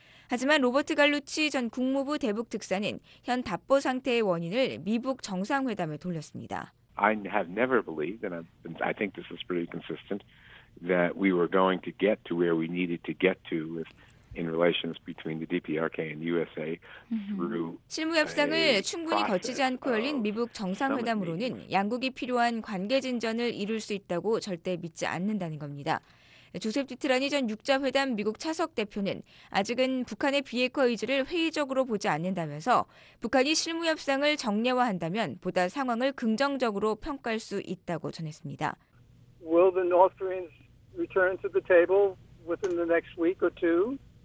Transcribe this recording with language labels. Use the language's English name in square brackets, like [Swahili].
[Korean] 하지만 로버트 갈루치 전 국무부 대북 특사는 현 답보 상태의 원인을 미북 정상회담에 돌렸습니다. [English] I have never believed, and I think this is pretty consistent, that we were going to get to where we needed to get to with in relations between the DPRK and USA through [Korean] 실무 협상을 충분히 거치지 않고 열린 미북 정상회담으로는 양국이 필요한 관계 진전을 이룰 수 있다고 절대 믿지 않는다는 겁니다. 조셉 디트라니 전 6자회담 미국 차석 대표는 아직은 북한의 비핵화 의지를 회의적으로 보지 않는다면서 북한이 실무협상을 정례화한다면 보다 상황을 긍정적으로 평가할 수 있다고 전했습니다. [English] Will the North Koreans return to the table within the next week or two?